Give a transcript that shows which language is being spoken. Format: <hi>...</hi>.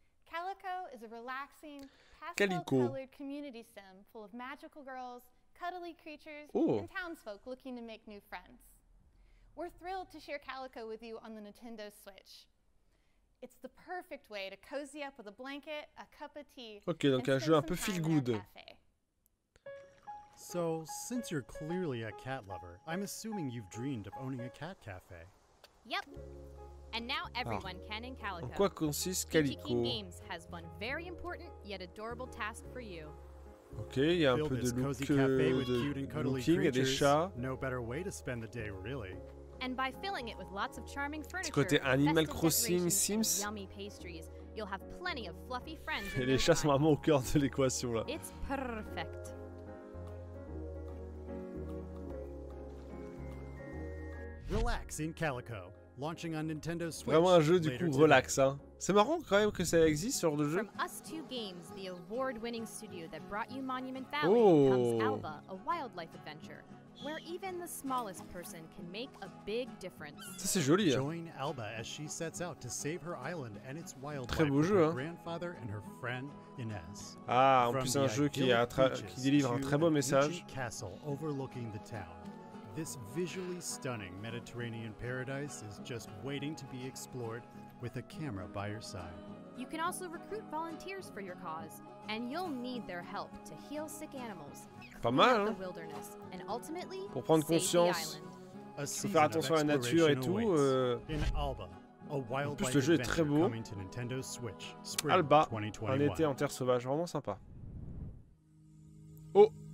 <en>Calico is a relaxing, pastel-colored community sim full of magical girls, cuddly creatures, and townsfolk looking to make new friends. We're thrilled to share Calico with you on the Nintendo Switch. It's the perfect way to cozy up with a blanket, a cup of tea,</en> <fr>okay, donc un jeu un peu feel good.</fr> <en>So, since you're clearly a cat lover, I'm assuming you've dreamed of owning a cat cafe. Yep. And now everyone can in Calico.</en> <fr>En quoi consiste Calico?</fr> <en>Kiki Games has one very important yet adorable task for you.</en> <fr>OK, il y a un peu de look looking et des chats.</fr> <en>No better way to spend the day, really. And by filling it with lots of charming furniture.</en> <fr>Côté Animal Crossing Sims.</fr> <en>Yummy pastries. You'll have plenty of fluffy friends.</en> <fr>Et les chats sont vraiment au cœur de l'équation là.</fr> <en>It's perfect. Relax in Calico, launching on Nintendo Switch.</en> <fr>Vraiment un jeu du coup relax, hein. C'est marrant quand même que ça existe ce genre de jeu.</fr> <en>From Us 2 Games, the award-winning studio that brought you Monument Valley, comes Alba, a wildlife adventure, where even the smallest person can make a big difference.</en> <fr>Ça, c'est joli, hein.</fr> <en>Join Alba as she sets out to save her island and its wildlife.</en> <fr>Très beau jeu, hein.</fr> <en>Grandfather and her friend Inez.</en> <fr>Ah, en plus un jeu qui délivre un très beau message.</fr> <en>Castle overlooking the town. This visually stunning Mediterranean paradise is just waiting to be explored with a camera by your side. You can also recruit volunteers for your cause, and you'll need their help to heal sick animals.</en> <fr>Pas mal,</fr> <en>the wilderness,</en> <fr>hein?</fr> <en>And ultimately,</en> <fr>pour prendre conscience, faut faire attention à la nature et tout.</fr> <en>In Alba, a wild</en> <fr>en plus, le jeu est très beau.</fr> <en>Switch,</en> <fr>Alba, un été en terre sauvage, vraiment sympa. Oh!</fr>